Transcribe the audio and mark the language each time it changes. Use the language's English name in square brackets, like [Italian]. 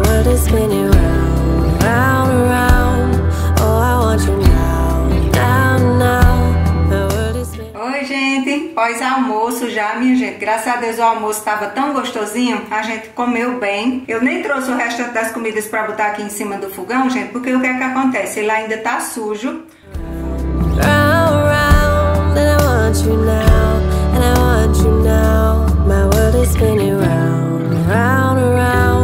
[English] Spinning round, round, round. Oh, I want you now, down, now. The world is spinning. [Portuguese] Oi, gente. Pós-almoço já, minha gente. Graças a Deus o almoço tava tão gostosinho. A gente comeu bem. Eu nem trouxe o resto das comidas pra botar aqui em cima do fogão, gente. Porque o que é que acontece? Ele ainda tá sujo. [English] Round, round, and I want you now. And I want you now. My world is spinning round, round, round.